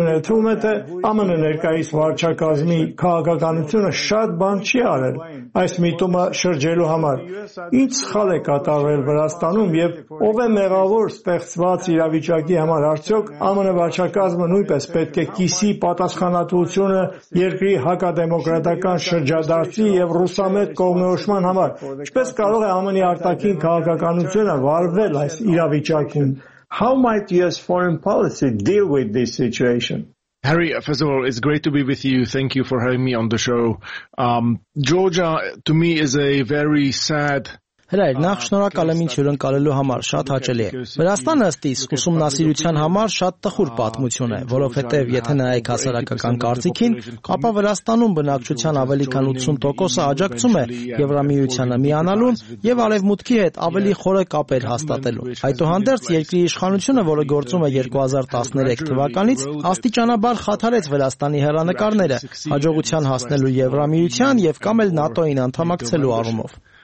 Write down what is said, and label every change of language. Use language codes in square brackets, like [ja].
[hy] Թվում է, թե ԱՄՆ ներկայիս վարչակազմի քաղաքականությունը շատ բան չի արել այս միտումը շրջելու համար։ Ինչ սխալ է կատարվել Վրաստանում և ով է մեղավոր ստեղծված իրավիճակի համար, արդյոք ԱՄՆ վարչակազմը նույնպես պետք է կիսի պատասխանատվությունը երկրի հակադեմոկրատական շրջադարձի և ռուսամետ կողմնորոշման համար, ինչպես կարող է ԱՄՆ-ի արտաքին քաղաքականությունը վարվել այս իրավիճակում։ [en] How might US foreign policy deal with this situation? Harry, first of all, it's great to be with you. Thank you for having me on the show. Georgia, to me, is a very sad... [hy] Հրայր, նախ շնորհակալ եմ ինձ հյուրընկալելու համար, շատ հաճելի է։ Վրաստանը ըստ իս ուսումնասիրության համար շատ տխուր պատմություն է, որովհետև եթե նայեք հասարակական կարծիքին, ապա Վրաստանում բնակչության ավելի քան 80%-ը աջակցում է Եվրամիությանը միանալուն և արևմուտքի հետ ավելի խորը կապեր հաստատելու։ Այդուհանդերձ երկրի իշխանությունը, որը գործում է 2013 թվականից, աստիճանաբար խաթարեց Վրաստանի հեռանկարները հաջողության հասնելու Եվրամիության և կամ էլ ՆԱՏՕ-ին անդամակցելու առումով։